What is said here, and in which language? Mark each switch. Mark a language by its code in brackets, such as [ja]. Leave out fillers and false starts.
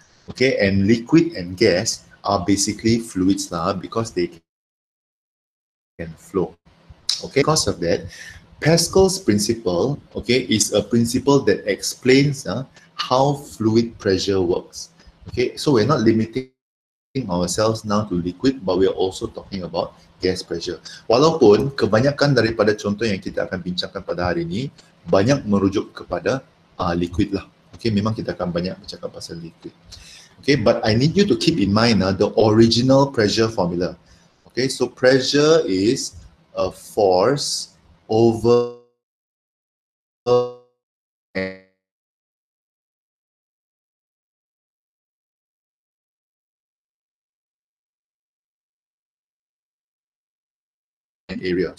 [en] Okay, and liquid and gas are basically fluids lah because they can flow. Okay, because of that, Pascal's principle, is a principle that explains how fluid pressure works. Okay, so we're not limiting ourselves now to liquid, but we're also talking about gas pressure. [ms] Walaupun kebanyakan daripada contoh yang kita akan bincangkan pada hari ini, banyak merujuk kepada liquid lah. Okay, memang kita akan banyak bercakap pasal liquid. [en] Okay, but I need you to keep in mind the original pressure formula. Okay, so pressure is a force over an area.